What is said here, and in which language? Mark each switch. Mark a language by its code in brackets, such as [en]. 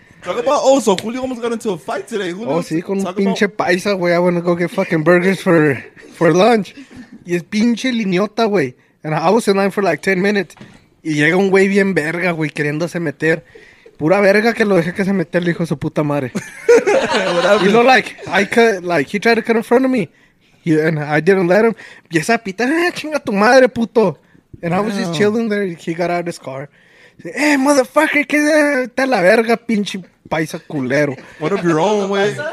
[en] Talk about also, Julio almost got into a fight today. Julio, [es] oh, sí, con un pinche paisa, güey. [en] I want to go get fucking burgers for lunch. [es] Y es pinche liniota, güey. [en] And I was in line for like 10 minutes. [es] Y llega un güey bien verga, güey, queriéndose meter. Pura verga que lo dejé que se meter, le dijo su puta madre. [en] You know, like, he tried to cut in front of me. And I didn't let him. [es] Y esa pita, chinga tu madre, puto. [en] And I was just chilling there. He got out of his car. Hey, motherfucker, [es] que está la verga, pinche paisa culero. [en] What of your own, way?